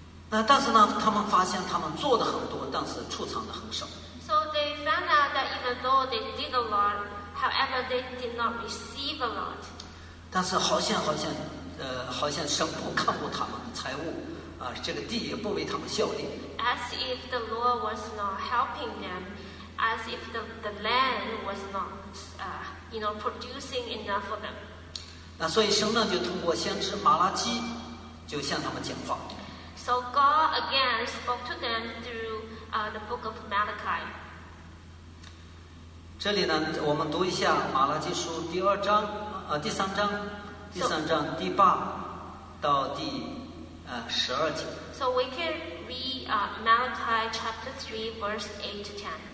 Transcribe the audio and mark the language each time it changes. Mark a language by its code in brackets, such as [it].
[zh] 那但是呢，他们发现他们做的很多，但是储藏的很少。 [en] So they found out that even though they did a lot, however, they did not receive a lot. [zh] 但是好像。好像神不看顾他们的财物，这个地也不为他们效力。 [en] As if the Lord was not helping them, as if the land was not, producing enough for them. [zh] 那所以神呢就通过先知马拉基，就向他们讲话。 [en] So God again spoke to them through the book of Malachi. [zh] 这里呢，我们读一下马拉基书第二章，第三章。第三章第八到第十二节。 [en] So we can read Malachi chapter 3 verse 8 to 10.